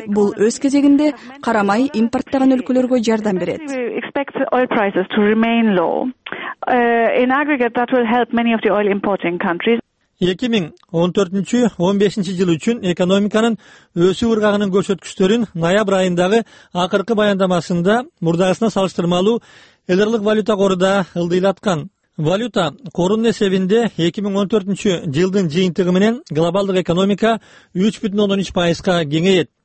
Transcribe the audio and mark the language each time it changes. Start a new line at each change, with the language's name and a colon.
Kyrgyz: Бул өз кезегинде карамай импорттогон өлкөлөргө жардам берет.
English: In aggregate, that will help many of the oil importing countries.
Kyrgyz: 2014-15 жыл үчүн экономиканын өсүү ыргагынын көрсөткүчтөрүн ноябрь айындагы акыркы баяндамасында мурдагысына салыштырмалуу элдерлик валюта кору да ылдыйлаткан. Валюта корунун эсебинде 2014 жылдын жыйынтыгы менен глобалдык экономика 3.13% кеңейет.